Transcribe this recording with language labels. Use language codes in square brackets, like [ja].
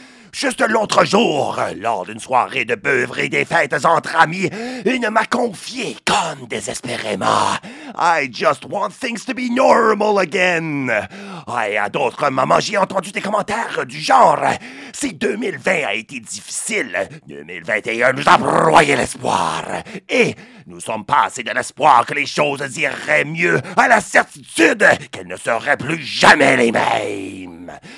[fr] Juste l'autre jour, lors d'une soirée de beuvres et des fêtes entre amis, une m'a confié comme désespérément. [en] I just want things to be normal again. [fr] Et à d'autres moments, j'ai entendu des commentaires du genre « Si 2020 a été difficile, 2021 nous a broyé l'espoir. » Et nous sommes passés de l'espoir que les choses iraient mieux à la certitude qu'elles ne seraient plus jamais les mêmes.